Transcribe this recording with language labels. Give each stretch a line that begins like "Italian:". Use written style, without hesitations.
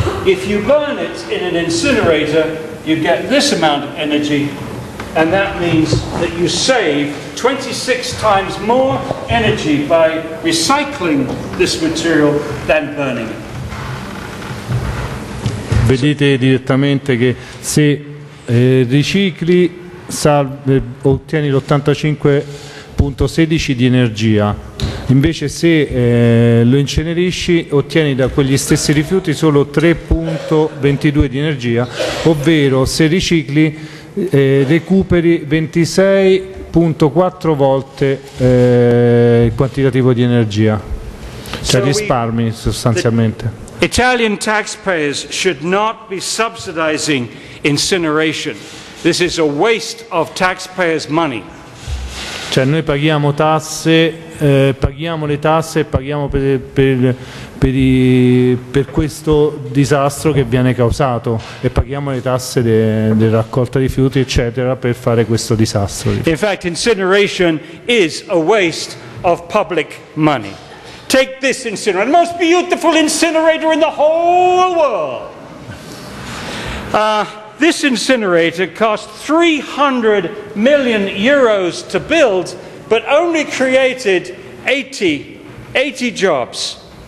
English: If you burn it in an incinerator, you get this amount of energy, and that means that you save 26 times more energy by recycling this material than burning it.
Italian: Vedete direttamente che se ricicli ottieni l'85.16 di energia, Invece se lo incenerisci ottieni da quegli stessi rifiuti solo 3,22 di energia, ovvero se ricicli recuperi 26,4 volte il quantitativo di energia, cioè risparmi sostanzialmente.
English: Italian taxpayers should not be subsidizing incineration. This is a waste of taxpayers' money.
Italian: Cioè noi paghiamo tasse, paghiamo le tasse e paghiamo per questo disastro che viene causato e paghiamo le tasse della raccolta di rifiuti eccetera per fare questo disastro.
English: In fact, incineration is a waste of public money. Take this incinerator, the most beautiful incinerator in the whole world. This incinerator cost 300 million euros to build, but only created 80 jobs.